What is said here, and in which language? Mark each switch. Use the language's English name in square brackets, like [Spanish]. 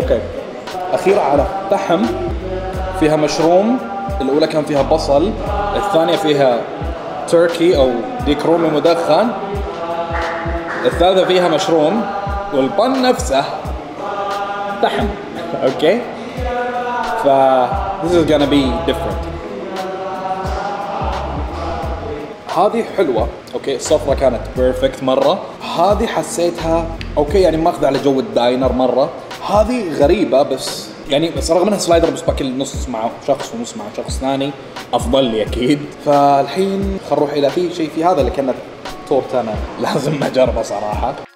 [English] Okay. [Arabic] أخيرة على فحم فيها مشروم. الأولى كان فيها بصل, الثانية فيها تركي أو ديك رومي مدخن, الثالثة فيها مشروم, والبن نفسه فحم. [English] Okay فـ this is gonna be different. [Arabic] هذه حلوة. أوكي الصفرة كانت perfect مرة. هذه حسيتها أوكي يعني ماخذة على جو الداينر مرة. هذه غريبة بس يعني بس رغم انها سلايدر بس باكل نص مع شخص ونص مع شخص ثاني افضل لي اكيد. فالحين خنروح الى في شيء في هذا اللي كانت تورت انا لازم اجربه صراحه.